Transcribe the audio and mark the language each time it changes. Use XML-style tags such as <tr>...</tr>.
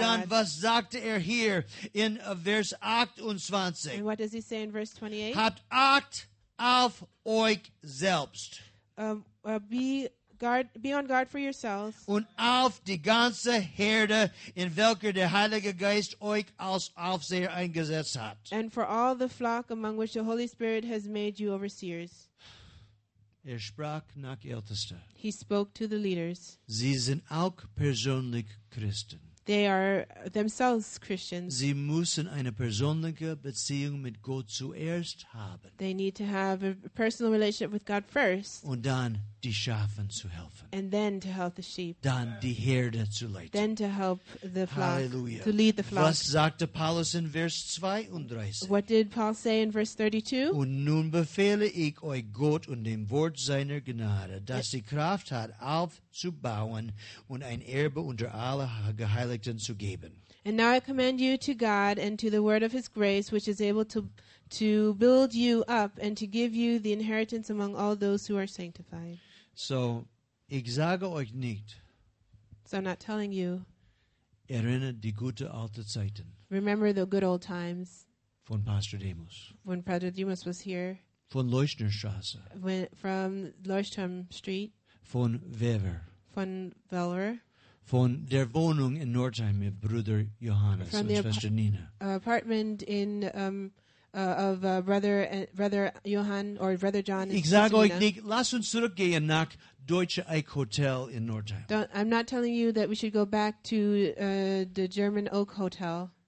<de>Dann, was sagte er hier in Vers 28?</de> <en>And what does he say in verse 28?</en> <de>Habt Acht auf euch selbst.</de> <en>Be on guard for yourselves.</en> <de>Und auf die ganze Herde, in welcher der Heilige Geist euch als Aufseher eingesetzt hat.</de> <en>And for all the flock among which the Holy Spirit has made you overseers.</en> <de>Er sprach nach Ältesten.</de> <en>He spoke to the leaders.</en> <de>Sie sind auch persönlich Christen.</de> <en>They are themselves Christians.</en> <de>Sie müssen eine persönliche Beziehung mit Gott zuerst haben.</de> <en>They need to have a personal relationship with God first.</en> <de>Und dann die Schafen zu helfen.</de> <en>And then to help the sheep.</en> <de>Dann die Herde zu leiten.</de> <en>Then to help the flock.</en> <de>Halleluja.</de> <en>To lead the flock.</en> <de>Was sagte Paulus in Vers 32?</de> <en>What did Paul say in verse 32?</en> <de>Und nun befehle ich euch Gott und dem Wort seiner Gnade, dass sie Kraft hat, aufzubauen und ein Erbe unter alle Geheiligten zu geben.</de> <en>And now I commend you to God and to the word of his grace, which is able to build you up and to give you the inheritance among all those who are sanctified.</en> <de>So, ich sage euch nicht.</de> <en>So I'm not telling you.</en> <de>Erinnert die gute alte Zeiten.</de> <en>Remember the good old times.</en> <de>Von Pastor Demos.</de> <en>When Pastor Demos was here.</en> <de>Von Leuchtenstraße.</de> <en>From Leuchtturm Street.</en> <de>Von Weber. Von Weller. Von der Wohnung in Northeim mit Bruder Johannes und Schwester Nina.</de> <en>Apartment in brother Johann or brother John.</en> <de>Ich sage euch nicht, lass uns zurückgehen nach Deutsche Eich Hotel in Northeim.</de> <en>I'm not telling you that we should go back to the German Oak Hotel.</en>